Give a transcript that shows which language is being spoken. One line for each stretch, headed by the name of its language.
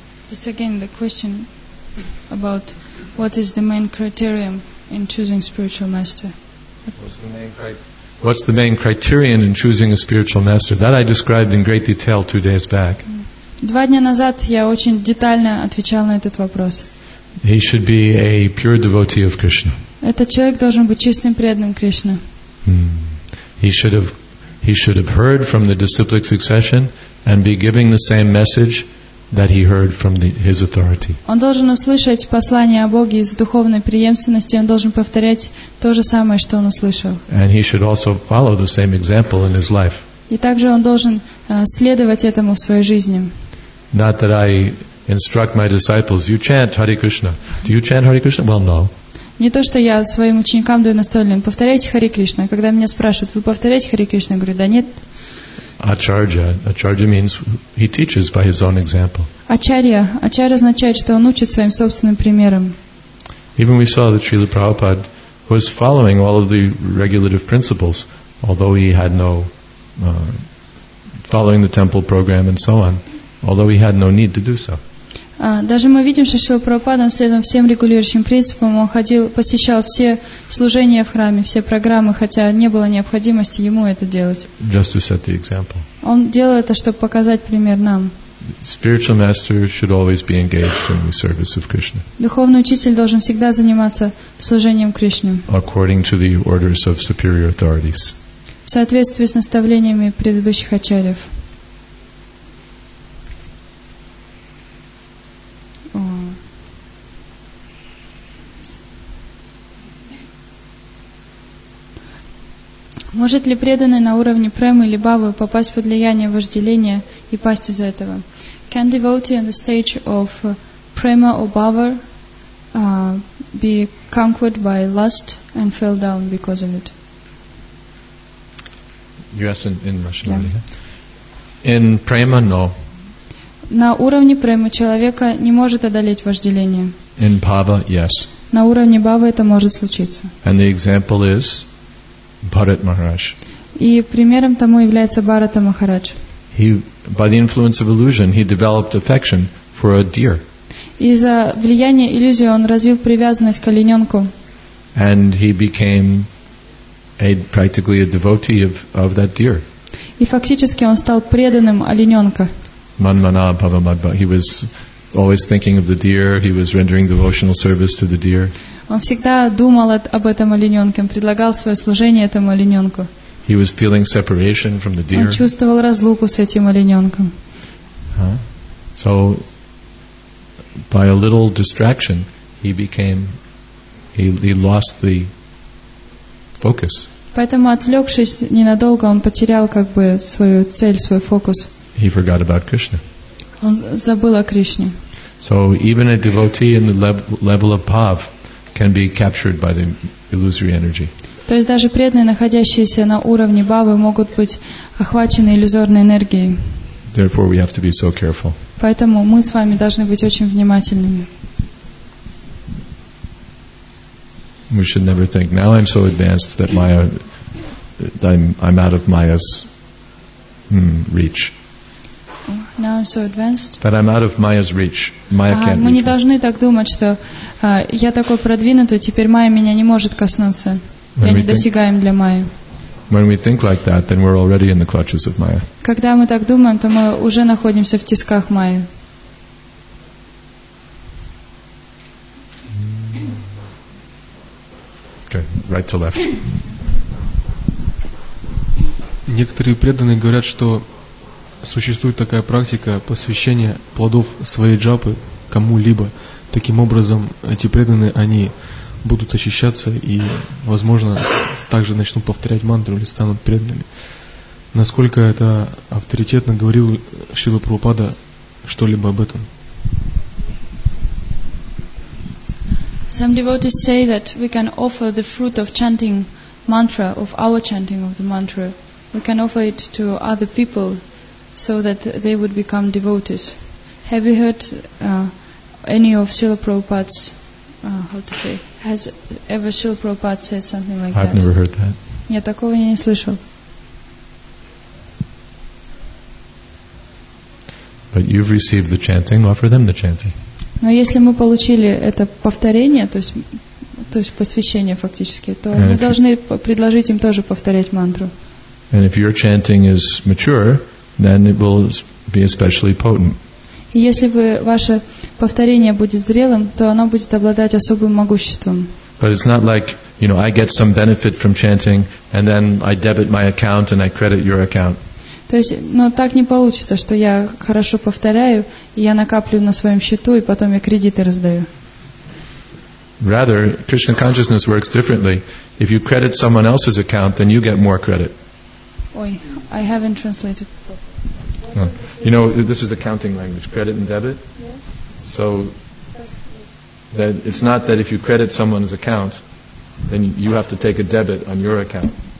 English: It's again the question about what is the main criterion in choosing spiritual master. What's the main criterion in choosing a spiritual master? That I described in great detail 2 days back.
Russian: Два дня назад я очень детально отвечал на этот вопрос.
English: He should be a pure devotee of Krishna.
Russian: Этот человек должен быть чистым преданным Кришне.
English: He should have heard from the disciplic succession and be giving the same message that he heard from his authority.
Russian: Он должен услышать послание о Боге из духовной преемственности, он должен повторять то же самое, что он услышал.
English: And he should also follow the same example in his life.
Russian: И также он должен следовать этому в своей жизни.
English: Not that I instruct my disciples, you chant Hare Krishna. Do you chant Hare Krishna? Well, no.
Russian: Не то, что я своим ученикам даю наставление, повторяйте Харе Кришна. Когда меня спрашивают, вы повторяете Харе Кришна? Я говорю, да нет.
English: Acharya means he teaches by his own example.
Russian: Acharya означает, что он учит своим собственным примером.
English: Even we saw that Srila Prabhupada was following all of the regulative principles, although he had no following the temple program and so on, although he had no need to do so.
Russian: Даже мы видим, что Шрила Прабхупада следовал всем регулирующим принципам, он ходил, посещал все служения в храме, все программы, хотя не было необходимости ему это делать.
English: Just to set the example.
Russian: Он делал это, чтобы показать пример нам.
English: Spiritual master should always be engaged in the service of Krishna.
Russian: Духовный учитель должен всегда заниматься служением Кришне.
English: According to the orders of superior authorities.
Russian: В соответствии с наставлениями предыдущих ачарьев. Может ли преданный на уровне премы или бавы попасть под влияние вожделения и пасть из-за этого?
English: Can devotee on the stage of prema or bhava be conquered by lust and fell down because of it? You asked in Russian. Yeah. In prema, no.
Russian: На уровне премы человека не может одолеть вожделение.
English: In bhava, yes.
Russian: На уровне бавы это может случиться.
English: And the example is Bharat Maharaj.
Russian: И примером тому является Бхарата Махарадж.
English: He, by the influence of illusion, he developed affection for a deer.
Russian: Из-за влияния иллюзии он развил привязанность к олененку.
English: And he became practically a devotee of that deer.
Russian: И фактически он стал преданным олененка.
Sanskrit: Manmana bhavamadva.
English: He was always thinking of the deer. He was rendering devotional service to the deer.
Russian: Он всегда думал об этом олененке, предлагал свое служение этому олененку.
English: He was feeling separation from the deer.
Russian: Он чувствовал разлуку с этим олененком.
English: So, by a little distraction, he lost the focus.
Russian: Поэтому, отвлекшись ненадолго, он потерял как бы свою цель, свой фокус.
English: He forgot about Krishna.
Russian: Он забыл о Кришне.
English: So, even a devotee in the level of bhav can be captured by the illusory energy.
Russian: То есть даже преданные, находящиеся на уровне бавы, могут быть охвачены иллюзорной энергией.
English: Therefore, we have to be so careful.
Russian: Поэтому мы с вами должны быть очень внимательными.
English: We should never think now I'm so advanced that Maya, I'm out of Maya's reach. Now I'm so advanced. That I'm out of Maya's reach. Maya can't reach
Russian: Мы не должны так думать, что я такой продвинутый, теперь Maya меня не может коснуться. Я недосягаем для Maya.
English: When we think like that, then we're already in the clutches of Maya.
Russian: Когда мы так думаем, то мы уже находимся в тисках Maya.
English: Okay, right to left.
Russian: Некоторые преданные говорят, что существует такая практика посвящения плодов своей джапы кому-либо. Таким образом, эти преданные, они будут очищаться и, возможно, также начнут повторять мантру или станут преданными. Насколько это авторитетно говорил Шрила Прабхупада что-либо об этом?
English: Some devotees say that we can offer the fruit of chanting mantra, of our chanting of the mantra, we can offer it to other people so that they would become devotees. Have you heard any of Srila Prabhupada's, has ever Srila Prabhupada said something like I've I've never heard that.
Russian: Я такого не слышал.
English: But you've received the chanting, offer them the chanting.
Russian: Но если мы получили это повторение, то есть посвящение фактически, то
English: and
Russian: мы должны предложить им тоже повторять мантру.
English: And if your chanting is mature, then it will be especially potent.
Russian: И если вы, ваше повторение будет зрелым, то оно будет обладать особым могуществом.
English: But it's not like, you know, I get some benefit from chanting, and then I debit my account and I credit your account.
Russian: То есть, но так не получится, что я хорошо повторяю, и я накапливаю на своем счету, и потом я кредиты раздаю.
English: Rather, Krishna consciousness works differently. If you credit someone else's account, then you get more credit.
Russian: Ой,
English: I haven't translated. You know, this is accounting language, credit and debit. So, that it's not that if you credit someone's account, then you have to take a debit on your account.